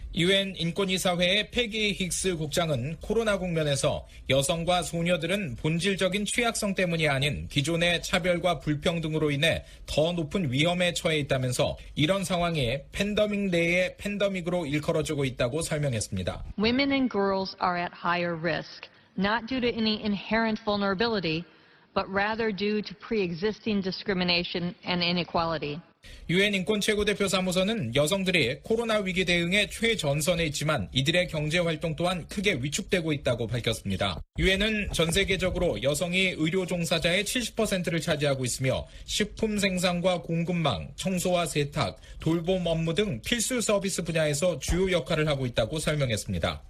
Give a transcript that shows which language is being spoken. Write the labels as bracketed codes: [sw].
[ko] 유엔 인권이사회의 페기 힉스 국장은 코로나 국면에서 여성과 소녀들은 본질적인 취약성 때문이 아닌 기존의 차별과 불평등으로 인해 더 높은 위험에 처해 있다면서 이런 상황이 팬데믹 내의 팬데믹으로 일컬어지고 있다고 설명했습니다. [en] Women and girls are at higher risk, not due to any inherent vulnerability, but rather due to pre-existing discrimination and inequality. [ko] 유엔 인권최고대표사무소는 여성들이 코로나 위기 대응의 최전선에 있지만 이들의 경제활동 또한 크게 위축되고 있다고 밝혔습니다. 유엔은 전 세계적으로 여성이 의료 종사자의 70%를 차지하고 있으며 식품 생산과 공급망, 청소와 세탁, 돌봄 업무 등 필수 서비스 분야에서 주요 역할을 하고 있다고 설명했습니다.